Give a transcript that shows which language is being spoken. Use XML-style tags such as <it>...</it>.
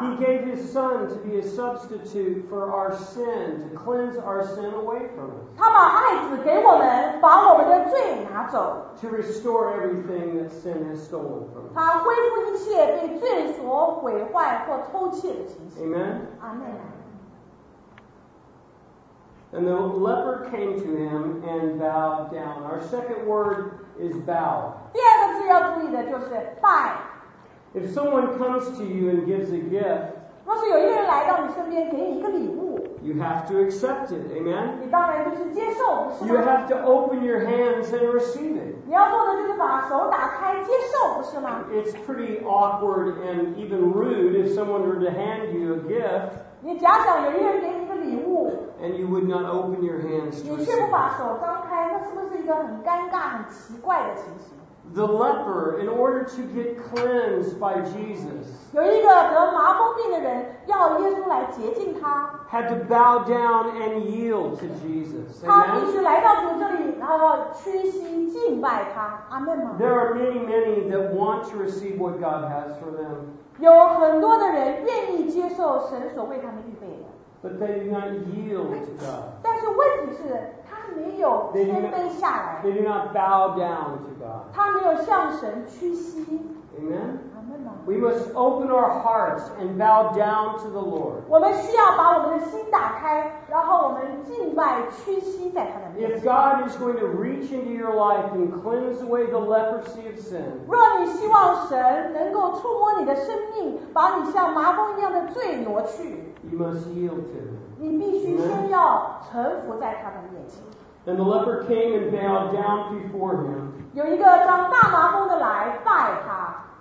<en>He gave his son to be a substitute for our sin, to cleanse our sin away from us.</en> <zh>他把爱子给我们，把我们的罪拿走。</zh> <en>To restore everything that sin has stolen from us.</en> <zh>他恢复一切被罪所毁坏或偷窃的情形。</zh> <en>Amen. Amen. And the leper came to him and bowed down. Our second word is bow.</en> <zh>第二个字要注意的就是拜。</zh> <en>If someone comes to you and gives a gift,</en> <zh>若是有一个人来到你身边给你一个礼物，</zh> <en>you have to accept it, amen?</en> <zh>你当然就是接受，不是吗？</zh> <en>You have to open your hands and receive it.</en> <zh>你要做的就是把手打开接受，不是吗？</zh> <en>It's pretty awkward and even rude if someone were to hand you a gift.</en> <zh>你假想有一个人给你一个礼物，</zh> <en>And you would not open your hands to receive.</en> <zh>你却不把手张开，那是不是一个很尴尬、很奇怪的情形？</zh> <en>The leper, in order to get cleansed by Jesus,</en> <zh>有一个得麻风病的人要耶稣来洁净他，</zh> <en>had to bow down and yield to Jesus.</en> <zh>他必须来到主这里，然后屈膝敬拜他。阿门吗？</zh> <en>There are many, many that want to receive what God has for them.</en> <zh>有很多的人愿意接受神所为他们预备的。</zh> <en>But they do not yield to God.</en> <zh>但是问题是，他没有谦卑下来。</zh> <en>They do not bow down to God. God.</en> <zh>他没有向神屈膝。</zh> <en>Amen. We must open our hearts and bow down to the Lord.</en> <zh>我们需要把我们的心打开，然后我们敬拜屈膝在他的面前。</zh> <en>If God is going to reach into your life and cleanse away the leprosy of sin,</en> <zh>若你希望神能够触摸你的生命，把你像麻风一样的罪挪去，</zh> <en>you must yield to Him.</en> <zh>你必须先要臣服在他的面前。</zh> <en>And the leper came and bowed down before him.</en> <zh>有一个叫大麻风的来拜他。</zh>